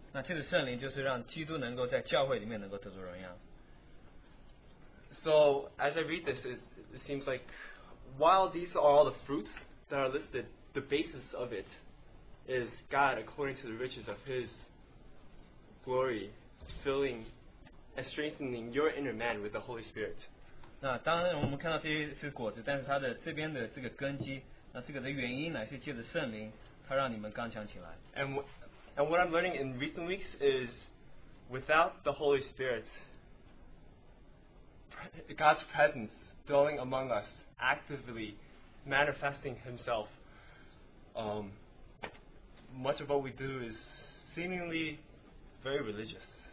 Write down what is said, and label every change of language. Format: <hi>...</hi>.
<zh>那借着圣灵就是让基督能够在教会里面能够得着荣耀。</zh> <en>So as I read this, it seems like while these are all the fruits that are listed, the basis of it is God, according to the riches of His glory, filling and strengthening your inner man with the Holy Spirit.</en> <zh>那当然我们看到这些是果子，但是它的这边的这个根基，那这个的原因乃是借着圣灵，它让你们刚强起来。</zh> <en>And what I'm learning in recent weeks is, without the Holy Spirit, God's presence dwelling among us, actively manifesting Himself, much of what we do is seemingly very religious.</en>